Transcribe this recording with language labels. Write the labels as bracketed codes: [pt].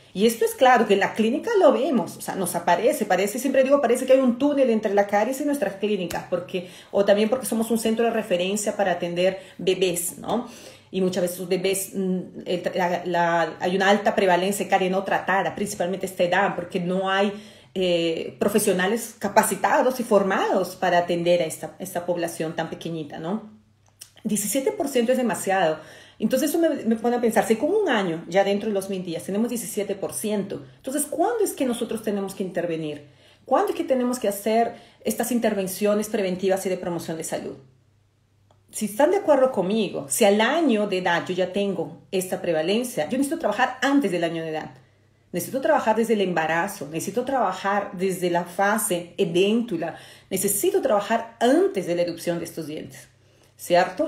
[es] Y esto es claro que en la clínica lo vemos, o sea, nos aparece, parece que hay un túnel entre la caries y nuestras clínicas, porque somos un centro de referencia para atender bebés, ¿no? Y muchas veces los bebés, hay una alta prevalencia de caries no tratada, principalmente esta edad, porque no hay [pt] profissionais capacitados e formados para atender a esta população tão pequenita, não? 17% é demasiado. Então, isso me põe a pensar, se com um ano, já dentro dos 1.000 dias, temos 17%, então, quando é que nós temos que intervenir? Quando é que temos que fazer estas intervenções preventivas e de promoção de saúde? [es] Si están de acuerdo conmigo, si al año de edad yo ya tengo esta prevalencia, yo necesito trabajar antes del año de edad. Necesito trabajar desde el embarazo, necesito trabajar desde la fase edéntula, necesito trabajar antes de la erupción de estos dientes, ¿cierto?